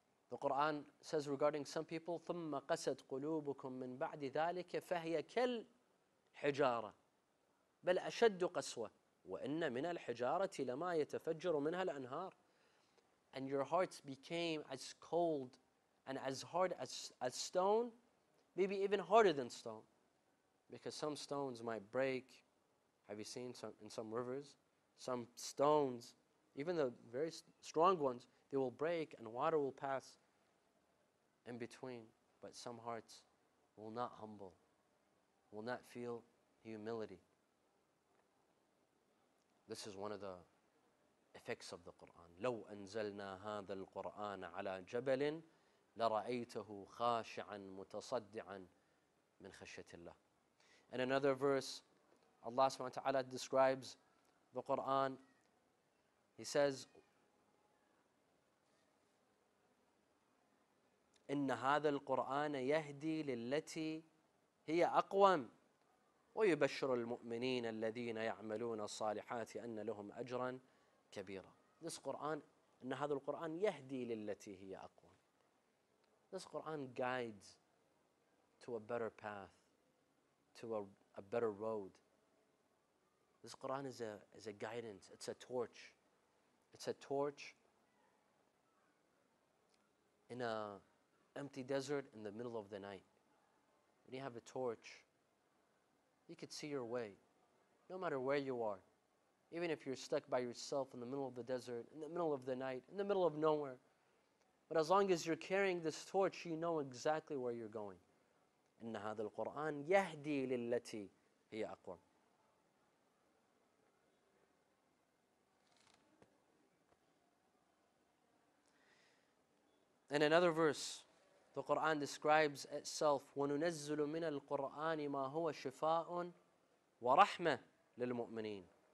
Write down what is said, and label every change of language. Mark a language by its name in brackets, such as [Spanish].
[English] The Quran says regarding some people, [Arabic] ثُمَّ قَسَتْ قُلُوبُكُمْ مِنْ بَعْدِ ذَٰلِكَ فَهِيَ كَالْحِجَارَةِ بَلْ أَشَدُّ قَسْوَةِ وَإِنَّ مِنَ الْحِجَارَةِ لَمَا يَتَفَجَّرُ مِنْهَا الْأَنْهَارِ. [English] And your hearts became as cold and as hard as stone, maybe even harder than stone, because some stones might break. Have you seen some in some rivers? Some stones, even the very strong ones, they will break and water will pass in between. But some hearts will not humble, will not feel humility. This is one of the effects of the Quran. [Arabic] لو أنزلنا هذا القرآن على جبل لرأيته خاشعا متصدعا من خشية الله. [English] In another verse, Allah subhanahu wa ta'ala describes the Quran. He says, [Arabic] إن هذا القرآن يهدي للتي هي أقوم ويبشر المؤمنين الذين يعملون الصالحات أن لهم أجرا كبيرا. [English] This Quran, [Arabic] إن هذا القرآن يهدي للتي هي أقوم. [English] This Quran guides to a better path, to a better road. This Quran is a guidance. It's a torch. It's a torch in a empty desert in the middle of the night. When you have a torch, you could see your way, no matter where you are. Even if you're stuck by yourself in the middle of the desert, in the middle of the night, in the middle of nowhere. But as long as you're carrying this torch, you know exactly where you're going. [Arabic] إن هذا القرآن يهدي للتي هي أقوم. [English] In another verse, the Quran describes itself, [Arabic] وننزل من القرآن ما هو شفاء ورحمة للمؤمنين.